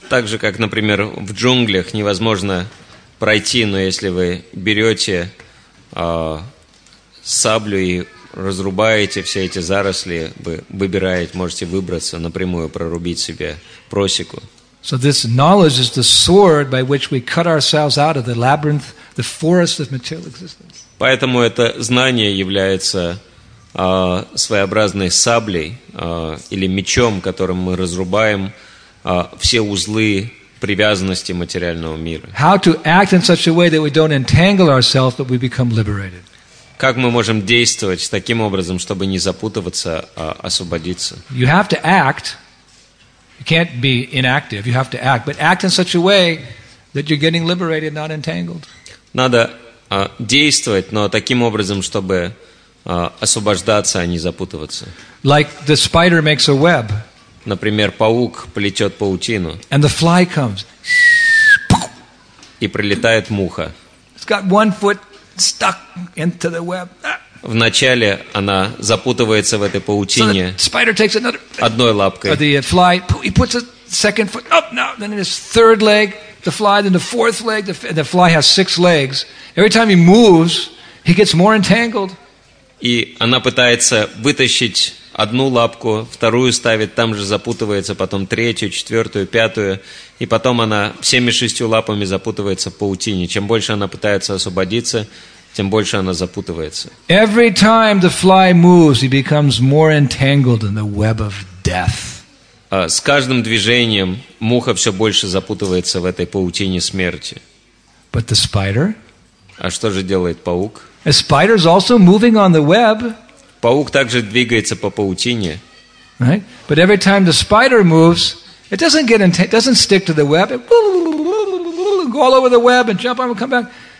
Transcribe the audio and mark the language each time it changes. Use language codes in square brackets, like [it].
[ru] Так же, как, например, в джунглях невозможно пройти, но если вы берете саблю и разрубаете все эти заросли, вы выбираете, можете выбраться напрямую, прорубить себе просеку. [en] So this knowledge is the sword by which we cut ourselves out of the labyrinth, the forest of material existence. [ru] Поэтому это знание является своеобразной саблей или мечом, которым мы разрубаем все узлы привязанности материального мира. [en] How to act in such a way that we don't entangle ourselves, but we become liberated? [ru] Как мы можем действовать таким образом, чтобы не запутываться, а освободиться? [en] You have to act. You can't be inactive. You have to act, but act in such a way that you're getting liberated, not entangled. [ru] Надо действовать, но таким образом, чтобы освобождаться, а не запутываться. [en] Like the spider makes a web. [ru] Например, паук плетет паутину. [en] And the fly comes. [ru] И прилетает муха. [en] It's got one foot stuck into the web. [ru] Вначале она запутывается в этой паутине. [en] So the spider takes another, [ru] одной лапкой. [en] Or the fly, he puts a second foot up, now, then his third leg, the fly, then the fourth leg, the fly has six legs. Every time he moves, he gets more entangled. [ru] И она пытается вытащить одну лапку, вторую ставит, там же запутывается, потом третью, четвертую, пятую, и потом она всеми шестью лапами запутывается в паутине. Чем больше она пытается освободиться, тем больше она запутывается. [en] Every time the fly moves, he becomes more entangled in the web of death. [ru] С каждым движением муха все больше запутывается в этой паутине смерти. [en] But the spider? [ru] А что же делает паук? [en] A spider's also moving on the web. [ru] Паук также двигается по паутине. [en] Right? But every time the spider moves, it doesn't get doesn't stick to the web. It go all over the web and jump on and come back.